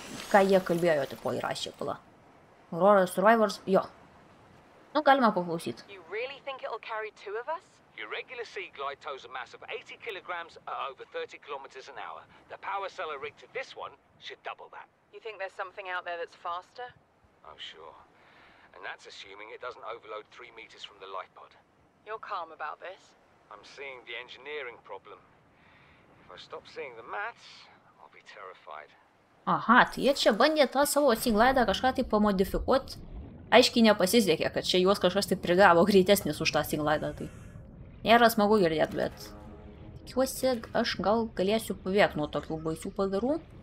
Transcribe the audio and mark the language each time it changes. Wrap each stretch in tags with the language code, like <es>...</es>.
<lt>Ką jie kalbėjo, tipo, įrašė, pala. Aurora Survivors, jo. Nu, galima paklausyti.</lt> <en>You really think it'll carry two of us? Your regular sea glide tows a mass of 80 kilograms at over 30 kilometers an hour. The power cell rigged to this one should double that. You think there's something out there that's faster? Oh, sure. And that's assuming it doesn't overload 3 meters from the light pod. You're calm about this. I'm seeing the engineering problem. If I stop seeing the maths, I'll be terrified.</en> <lt>Aha, tai jie čia bandė tą savo singlaidą kažką tai pamodifikuoti. Aiškiai nepasisekė, kad čia juos kažkas tai prigavo greitesnis už tą singlaidą, tai... Nėra smagu girdėti, bet... Tikiuosi, aš gal galėsiu pabėgti nuo tokių baisių padarų.</lt>